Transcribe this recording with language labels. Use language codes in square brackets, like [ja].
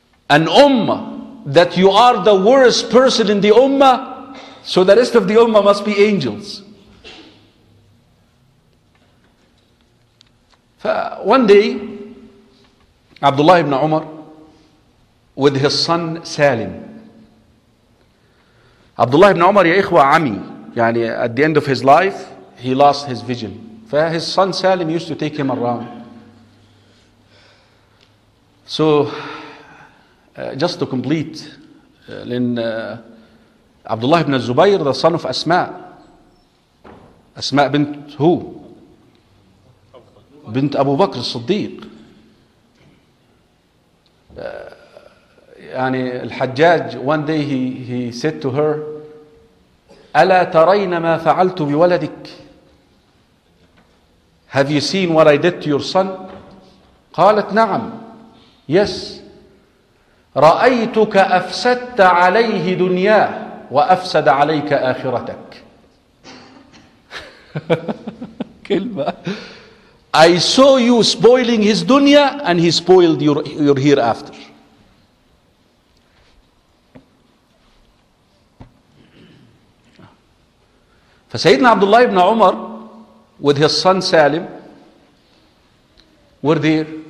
[en] An ummah that you are the worst person in the ummah, so the rest of the ummah must be angels. One day, Abdullah ibn Umar with his son Salim. Abdullah ibn Umar, ya ikhwa, ami. يعني at the end of his life, he lost his vision. His son Salim used to take him around. So, just to complete, Abdullah ibn Zubayr, the son of Asma. Asma bint who? Bint Abu Bakr al-Siddiq. يعني الحجاج, one day he said to her, ألا ترين ما فعلت بولدك? Have you seen what I did to your son? [ar] قالت نعم يس رأيتك أفسدت عليه دنياه وأفسد عليك آخرتك. [en] كلمة I saw you spoiling his dunya and he spoiled your hereafter. فسيدنا عبد الله بن عمر with his son Salim were there.